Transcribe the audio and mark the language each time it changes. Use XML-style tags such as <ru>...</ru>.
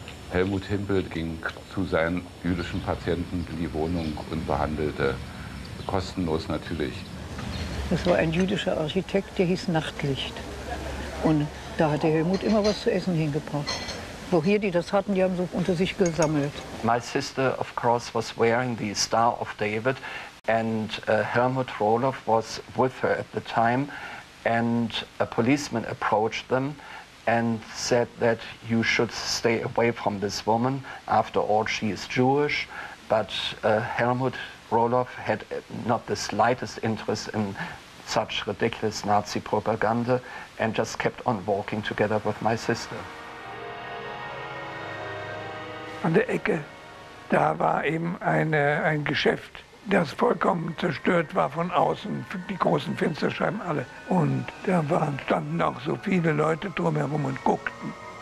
<de>Helmut Himpel ging zu seinen jüdischen Patienten in die Wohnung und behandelte, kostenlos natürlich. Das war ein jüdischer Architekt, der hieß Nachtlicht. Und da hatte Helmut immer was zu essen hingebracht. Wo hier die das hatten, die haben so unter sich gesammelt.</de> <en>My sister, of course, was wearing the Star of David. And Helmut Roloff was with her at the time. And a policeman approached them and said that you should stay away from this woman. After all, she is Jewish, but Helmut Roloff had not the slightest interest in such ridiculous Nazi propaganda and just kept on walking together with my sister.</en> <de>An der Ecke, da war eben ein Geschäft, das vollkommen zerstört war von außen, die großen Fensterscheiben alle. Und da standen auch so viele Leute drumherum und guckten.</de>